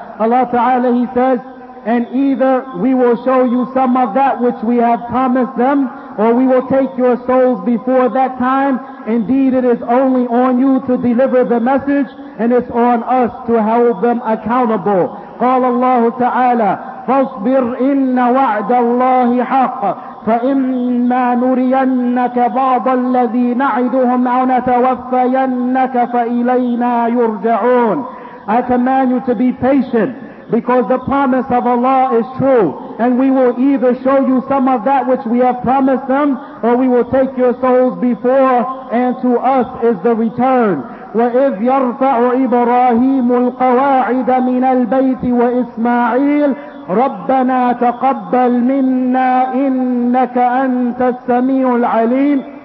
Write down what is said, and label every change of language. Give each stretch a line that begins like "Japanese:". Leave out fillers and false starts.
English: Allah ta'ala, He says, and either we will show you some of that which we have promised them, or we will take your souls before that time. Indeed, it is only on you to deliver the message, and it's on us to hold them accountable.
Arabic: قال الله تعالى فاصبر إن وعد الله حق فإما نرينك بعض الذي نعدهم أو نتوفينك فإلينا يرجعون.
English: I command you to be patient, because the promise of Allah is true, and we will either show you some of that which we have promised them, or we will take your souls before, and to us is the return.
Arabic: وإذ يرفع إبراهيم القواعد من البيت وإسماعيل ربنا تقبل منا إنك أنت السميع العليم